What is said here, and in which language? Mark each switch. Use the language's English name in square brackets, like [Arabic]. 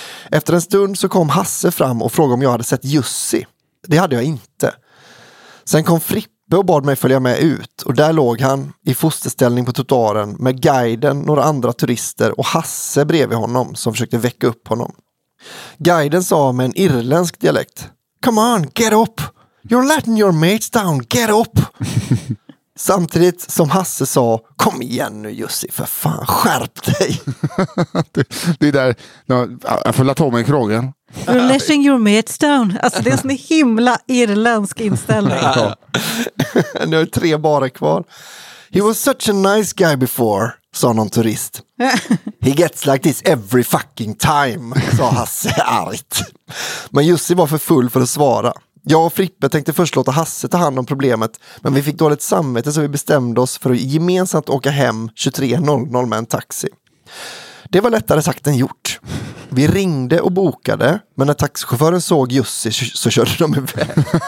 [Swedish] Efter en stund så kom Hasse fram och frågade om jag hade sett Jussi. Det hade jag inte. Sen kom Frippe och bad mig följa med ut och där låg han i fosterställning på trottoaren med guiden, några andra turister och Hasse bredvid honom som försökte väcka upp honom. Guiden sa med en irländsk dialekt: "Come on, get up! [English] You're letting your mates down, get up!" [Swedish] Samtidigt som Hasse sa: "Kom igen nu Jussi, för fan, skärp dig!" Det är där, jag får lätta om mig i krogen. [English] You're letting your mates down. [Swedish] Alltså det är en himla irländsk inställning. Nu har 3 bara kvar. [English] He was such a nice guy before, sa någon turist. He gets like this every fucking time, sa Hasse argt. [Swedish] Men Jussi var för full för att svara. Jag och Frippe tänkte först låta Hasse ta hand om problemet, men vi fick dåligt samvete så vi bestämde oss för att gemensamt åka hem 23.00 med en taxi. Det var lättare sagt än gjort. Vi ringde och bokade, men när taxichauffören såg Jussi så körde de iväg.